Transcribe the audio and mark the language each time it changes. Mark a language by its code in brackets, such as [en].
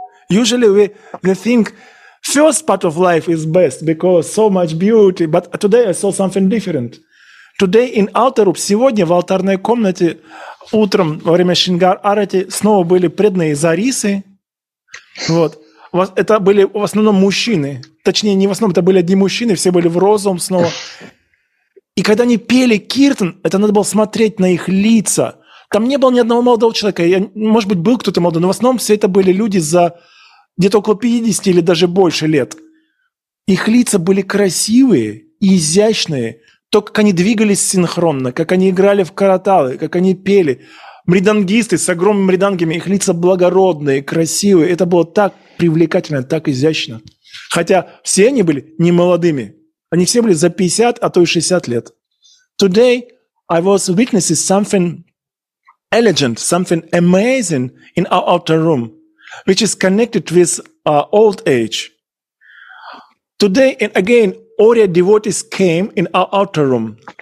[en] Usually we think first part of life is best because so much beauty, but today I saw something different. Today in Altarup, [ru] сегодня в алтарной комнате утром во время Шингар Арати снова были преданные зарисы. Вот. Это были в основном мужчины. Точнее, не в основном, это были одни мужчины, все были в розовом снова. И когда они пели киртан, это надо было смотреть на их лица. Там не было ни одного молодого человека. Я, может быть, был кто-то молодой, но в основном все это были люди за где-то около 50 или даже больше лет. Их лица были красивые и изящные. То, как они двигались синхронно, как они играли в караталы, как они пели. Мридангисты с огромными мридангами, их лица благородные, красивые. Это было так привлекательно, так изящно. Хотя все они были не молодыми. Они все были за 50, а то и 60 лет. [en] Today I was witnessing something elegant, something amazing in our outer room, which is connected with old age. Today, and again, Aurya devotees came in our outer room.